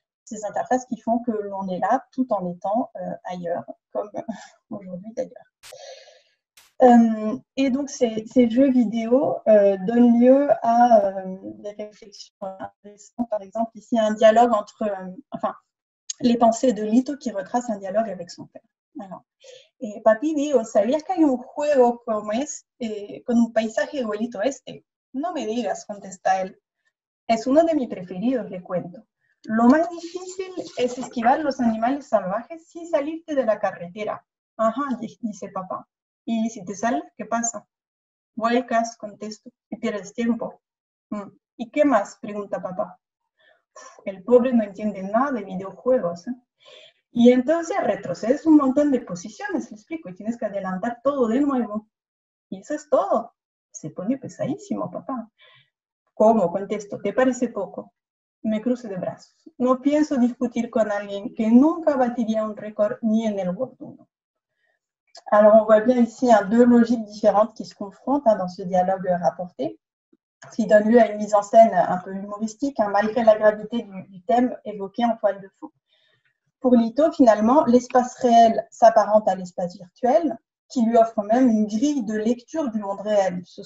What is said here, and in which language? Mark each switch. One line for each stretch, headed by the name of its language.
French: Ces interfaces qui font que l'on est là tout en étant ailleurs, comme aujourd'hui d'ailleurs. Et donc ces jeux vidéo donnent lieu à des réflexions intéressantes. Par exemple, ici un dialogue entre, les pensées de Lito qui retrace un dialogue avec son père.
Spanish: Alors, et papi dijo, ¿sabías que hay un juego como este con un paisaje igualito este? No me digas, contesta él. Es uno de mis preferidos, le cuento. Lo más difícil es esquivar los animales salvajes sin salirte de la carretera. Ajá, dice papá. ¿Y si te sales, qué pasa? Vuelcas, contesto, y pierdes tiempo. ¿Y qué más? Pregunta papá. El pobre no entiende nada de videojuegos. Y entonces retrocedes un montón de posiciones, le explico, y tienes que adelantar todo de nuevo. Y eso es todo. Se pone pesadísimo, papá. ¿Cómo? Contesto, ¿te parece poco? Me cruce de brazos. No pienso discutir con alguien que nunca batiría un récord ni en el World 1.
French: Alors, on voit bien ici deux logiques différentes qui se confrontent dans ce dialogue rapporté, qui donne lieu à une mise en scène un peu humoristique, malgré la gravité du thème évoqué en toile de fond. Pour Lito, finalement, l'espace réel s'apparente à l'espace virtuel, qui lui offre même une grille de lecture du monde réel.